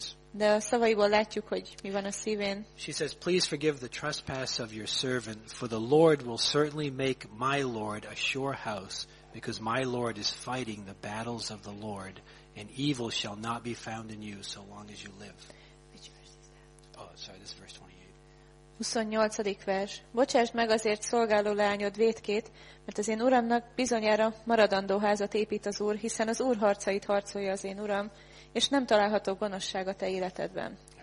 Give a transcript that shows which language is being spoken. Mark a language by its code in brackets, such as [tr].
[hu] De a szavaiból látjuk, hogy mi van a szívén. [en] She says, "Please forgive the trespass of your servant, for the Lord will certainly make my Lord a sure house, because my Lord is fighting the battles of the Lord, and evil shall not be found in you so long as you live." Oh, sorry, this is verse 28. [hu] 28. vers. Bocsásd meg azért szolgáló lányod vétkét, mert az én uramnak bizonyára maradandó házat épít az Úr, hiszen az Úr harcait harcolja az én uram, és nem található gonoszság a te életedben.